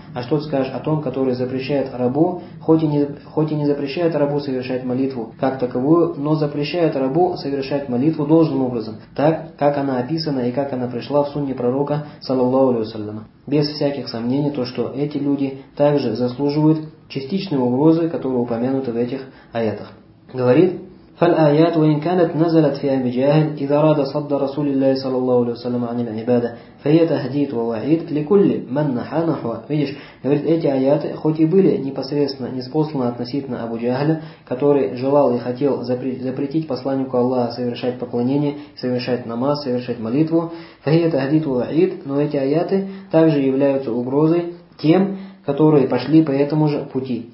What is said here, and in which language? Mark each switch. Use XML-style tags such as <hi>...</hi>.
<ru>А что ты скажешь о том, который запрещает рабу, хоть и не запрещает рабу совершать молитву как таковую, но запрещает рабу совершать молитву должным образом, так, как она описана и как она пришла в сунне пророка, саллаллаху алейхи ва саллям. Без всяких сомнений, то, что эти люди также заслуживают частичной угрозы, которая упомянута в этих аятах.</ru> <ar>Говорит, فالآيات وإن كانت نزلت في أبي جهل إذا راد صد رسول الله صلى الله عليه وسلم عن العبادة فهي تهديد ووعيد لكل من نحى نحوه.</ar> <ru>Видишь, говорит, эти аяты, хоть и были непосредственно ниспосланы относительно Абу Джахля, который желал и хотел запретить посланнику Аллаха совершать поклонение, совершать намаз, совершать молитву,</ru> <ar>فهي تهديد ووعيد,</ar> <ru>но эти аяты также являются угрозой тем, которые пошли по этому же пути.</ru>